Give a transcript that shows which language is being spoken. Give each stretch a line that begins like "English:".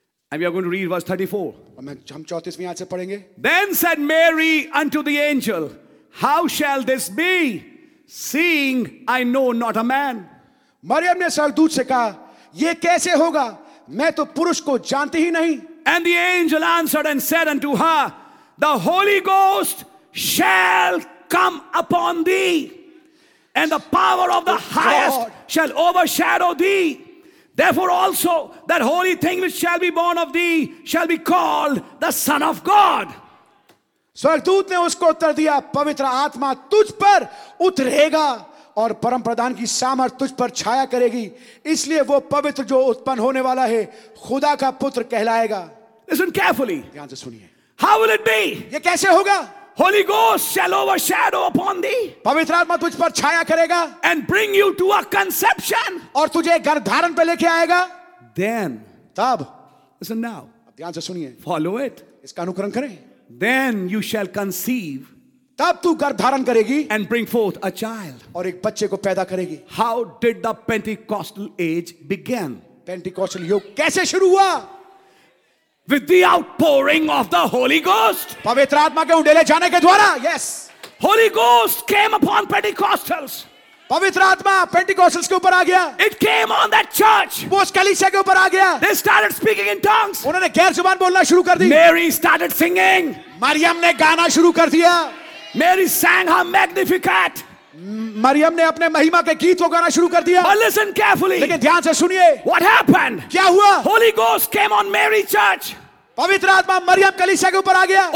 English: And we are going to read verse 34. Then said Mary unto the angel, How shall this be, seeing I know not a man?
Hindi: Maryam ने स्वर्गदूत से कहा, ये कैसे होगा? मैं तो पुरुष को जानती ही नहीं.
English: And the angel answered and said unto her, The Holy Ghost shall come upon thee, and the power of the highest shall overshadow thee. Therefore also that holy thing which shall be born of thee shall be called the Son of God.
Hindi: स्वर्गदूत ने उसको उत्तर दिया, पवित्र आत्मा तुझ पर उतरेगा और परम प्रधान की सामर्थ तुझ पर छाया करेगी, इसलिए वो पवित्र जो उत्पन्न होने वाला है खुदा का पुत्र कहलाएगा.
English: Listen carefully.
Hindi: ध्यान से सुनिए.
English: How will it be?
Hindi: ये कैसे होगा?
English: Holy Ghost shall overshadow upon thee.
Hindi: पवित्र आत्मा तुझ पर छाया करेगा.
English: And bring you to a conception.
Hindi: और तुझे गर्भ धारण पे लेके आएगा.
English: Then.
Hindi: तब.
English: Listen now.
Hindi: अब ध्यान से सुनिए.
English: Follow it.
Hindi: इसका अनुकरण करें.
English: Then you shall conceive.
Hindi: तब तू गर्भ धारण करेगी.
English: And bring forth a child.
Hindi: और एक बच्चे को पैदा करेगी.
English: How did the Pentecostal age begin?
Hindi: Pentecostal युग कैसे शुरू हुआ?
English: With the outpouring of the Holy Ghost.
Hindi: पवित्र आत्मा के उंडेले जाने के द्वारा.
English: Yes. Holy Ghost came upon Pentecostals.
Hindi: पवित्र आत्मा Pentecostals के ऊपर आ गया.
English: It came on that church.
Hindi: वो उस कलीसिया के ऊपर आ गया.
English: They started speaking in tongues.
Hindi: उन्होंने गैर जुबान बोलना शुरू कर दी.
English: Mary started singing.
Hindi: मरियम ने गाना शुरू कर दिया.
English: Mary sang her Magnificat.
Hindi: Maryam ने अपने महिमा के गीत को गाना शुरू कर दिया.
English: But listen carefully.
Hindi: लेकिन ध्यान से सुनिए.
English: What happened?
Hindi: क्या हुआ?
English: Holy Ghost came on Mary Church.
Hindi: पवित्र आत्मा मरियम कलीसिया के ऊपर आ गया.